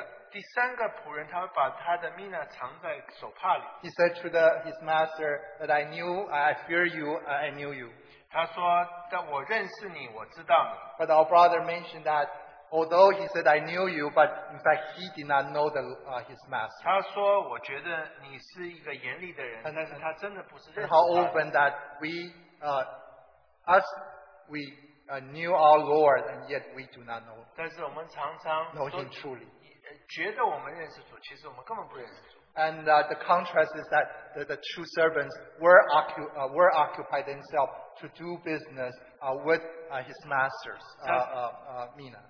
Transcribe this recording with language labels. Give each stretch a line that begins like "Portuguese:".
English: He said to his master that I knew, I fear you, I knew you.
Chinese: 他说,但我认识你,
English: but our brother mentioned that although he said I knew you, but in fact he did not know his master.
Chinese: 他说,我觉得你是一个严厉的人,
English: and how often that we knew our Lord and yet we do not know him. Know him truly.
Chinese: 觉得我们认识主,
English: And the contrast is that the two servants were occupied themselves to do business with his masters, Mina.